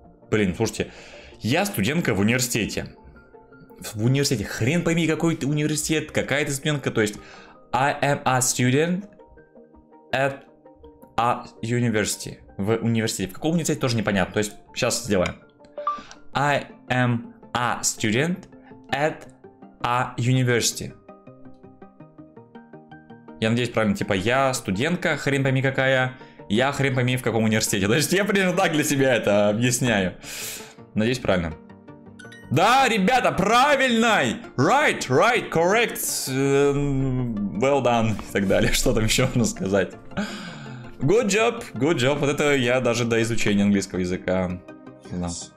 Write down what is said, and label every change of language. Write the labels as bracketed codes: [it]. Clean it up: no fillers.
[ru] Блин, слушайте, я студентка в университете. В университете, хрен пойми, какой ты университет, какая ты студентка, то есть [en] I am a student at a university. [ru] В университете, в каком университете, тоже непонятно, то есть сейчас сделаем. [en] I am a student at a university. [ru] Я надеюсь, правильно, типа, я студентка, хрен пойми какая, я хрен пойми в каком университете. То есть я примерно так для себя это объясняю. Надеюсь, правильно. Да, ребята, правильный! [en] Right, right, correct, well done, [ru] и так далее. Что там еще можно сказать? [en] Good job, good job. [ru] Вот это я даже до изучения английского языка знал.